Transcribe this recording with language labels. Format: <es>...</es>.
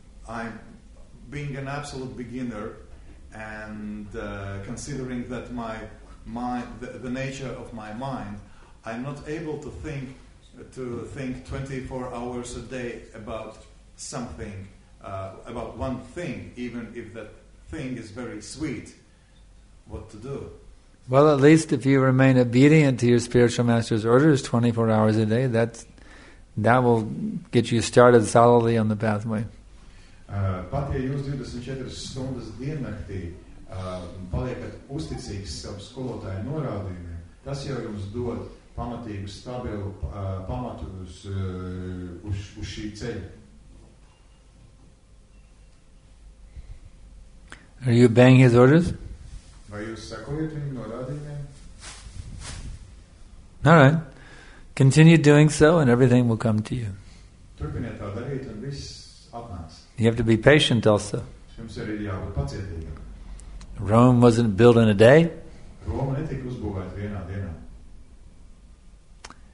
<en>I'm being an absolute beginner and considering that my mind, the nature of my mind, I'm not able to think 24 hours a day about something, about one thing, even if that thing is very sweet, what to do. Well, at least if you remain obedient to your spiritual master's orders 24 hours a day, that will get you started solidly on the pathway.</en> <lv>Pat ja jūs 24 stundas diennaktī paliekat uzticīgs savu skolotāju norādījumiem, tas jau jums dod pamatīgu, stabilu pamatu uz šī ceļa.</lv> <en>Are you obeying his orders?</en> <lv>Vai jūs sakojat viņu norādījumiem?</lv> <en>All right. Continue doing so and everything will come to you.</en> <lv>Turpiniet tā darīt un viss atnāks.</lv> <en>You have to be patient also.</en> <lv>Jums arī jābūt pacietīgam.</lv> <en>Rome wasn't built in a day.</en> <lv>Roma netika uzbūvēta vienā dienā.</lv>